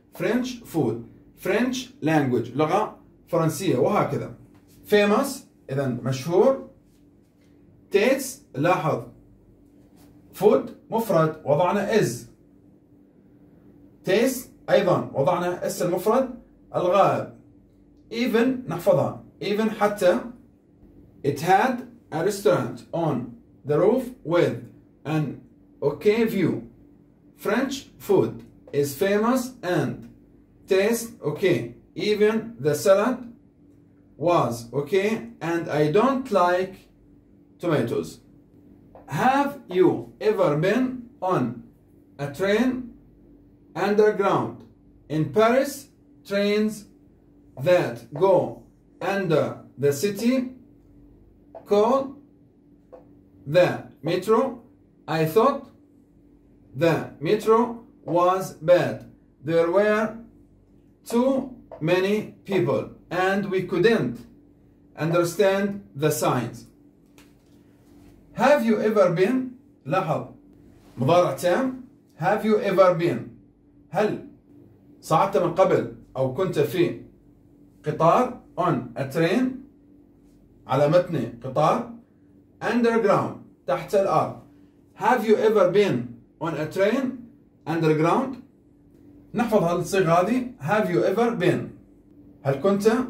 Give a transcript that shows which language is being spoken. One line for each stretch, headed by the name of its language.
English: French food، French language،
Arabic: لغة فرنسية وهكذا. Famous، إذن مشهور. Tastes، لاحظ food مفرد وضعنا is. Taste أيضا وضعنا is المفرد الغائب. Even نحفظها. Even حتى.
English: It had a restaurant on the roof with an okay view. French food is famous and taste okay. Even the salad was okay. And I don't like tomatoes. Have you ever been on a train underground? In Paris, trains that go under the city call the metro. I thought the metro was bad. There were too many people and we couldn't understand the signs. Have you ever been، لاحظ
Arabic: مضارع تام have you ever been، هل صعدت من قبل أو كنت في قطار on a train على متن قطار underground تحت الأرض
English: have you ever been on a train underground،
Arabic: نحفظ هالصيغة هذه
English: have you ever been،
Arabic: هل كنت